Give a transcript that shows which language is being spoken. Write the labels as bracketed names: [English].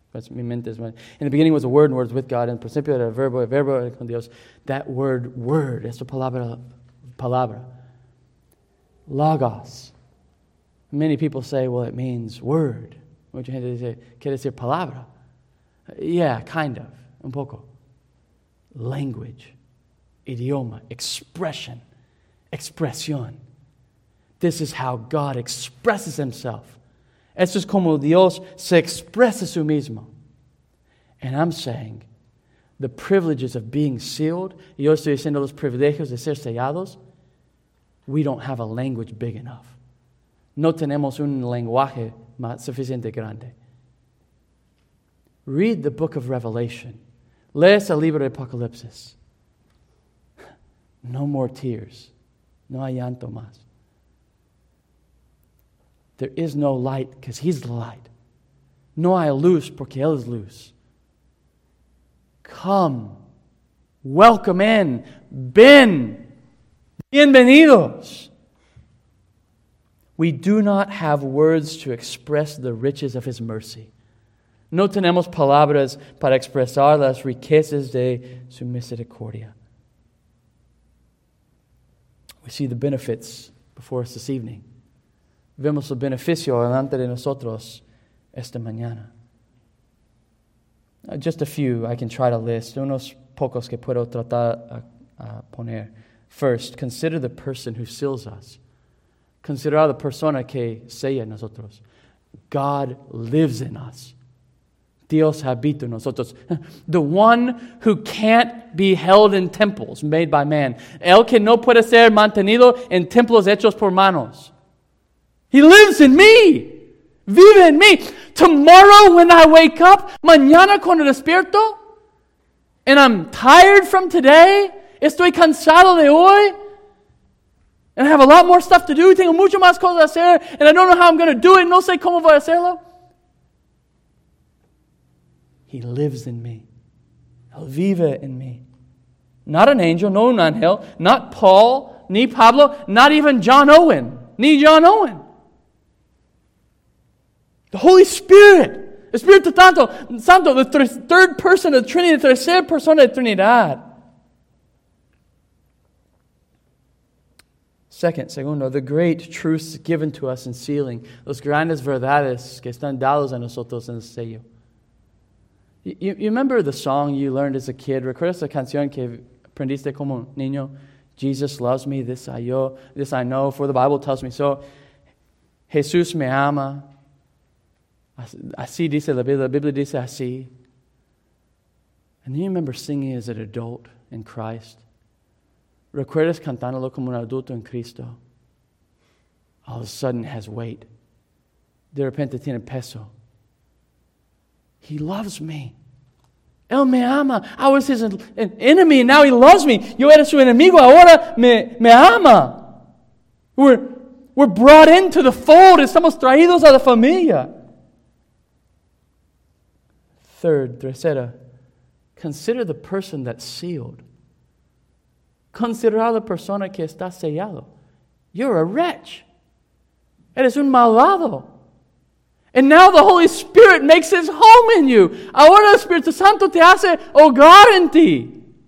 [Spanish] Mi mente es, [English] in the beginning was a word, and word was with God, and [Spanish] principio era verbo, y verbo era con Dios. [English] That word, word, [Spanish] esa palabra, palabra. [English] Logos. Many people say, well, it means word. [Spanish] Mucha gente dice, quiere decir palabra. [English] Yeah, kind of, [Spanish] un poco. [English] Language, idioma, expression, expresión. This is how God expresses Himself. [Spanish] Eso es como Dios se expresa a sí mismo. [English] And I'm saying, the privileges of being sealed, [Spanish] yo estoy diciendo los privilegios de ser sellados, [English] we don't have a language big enough. [Spanish] No tenemos un lenguaje suficiente grande. [English] Read the book of Revelation. [Spanish] Lees el libro de Apocalipsis. [English] No more tears. [Spanish] No hay llanto más. [English] There is no light because he's the light. [Spanish] No hay luz porque él es luz. [English] Come. Welcome in. Ven. [Spanish] Bienvenidos. [English] We do not have words to express the riches of his mercy. [Spanish] No tenemos palabras para expresar las riquezas de su misericordia. [English] We see the benefits before us this evening. [Spanish] Vemos el beneficio delante de nosotros esta mañana. [English] Just a few I can try to list. [Spanish] Unos pocos que puedo tratar a poner. [English] First, consider the person who seals us. [Spanish] Considerar la persona que sella nosotros. [English] God lives in us. [Spanish] Dios habita en nosotros. [English] The one who can't be held in temples made by man. [Spanish] El que no puede ser mantenido en templos hechos por manos. [English] He lives in me. [Spanish] Vive en me. [English] Tomorrow when I wake up, [Spanish] mañana cuando despierto, [English] and I'm tired from today, [Spanish] estoy cansado de hoy, [English] and I have a lot more stuff to do, [Spanish] tengo mucho más cosas a hacer, [English] and I don't know how I'm going to do it, [Spanish] no sé cómo voy a hacerlo. [English] He lives in me. [Spanish] Él vive en mí. [English] Not an angel, [Spanish] no un ángel, [English] not Paul, [Spanish] ni Pablo, [English] not even John Owen, [Spanish] ni John Owen. [English] The Holy Spirit, [Spanish] Espíritu Santo, [English] the third person of the Trinity, the [Spanish] tercera persona de Trinidad. Segundo, [English] the great truths given to us in sealing, [Spanish] los grandes verdades que están dados a nosotros en el sello. [English] You remember the song you learned as a kid? [Spanish] ¿Recuerdas la canción que aprendiste como niño? [English] Jesus loves me, this I know, for the Bible tells me so. [Spanish] Jesús me ama. Así dice la Biblia. La Biblia dice así. [English] And you remember singing as an adult in Christ? [Spanish] ¿Recuerdas cantándolo como un adulto en Cristo? [English] All of a sudden has weight. [Spanish] De repente tiene peso. [English] He loves me. [Spanish] Él me ama. [English] I was his enemy, now he loves me. [Spanish] Yo era su enemigo, ahora me ama. [English] We're brought into the fold. [Spanish] Estamos traídos a la familia. [English] Third, tercera, consider the person that's sealed. [Spanish] Considera la persona que está sellado. You're a wretch. Eres un malvado. [English] And now the Holy Spirit makes his home in you. [Spanish] Ahora el Espíritu Santo te hace hogar en ti.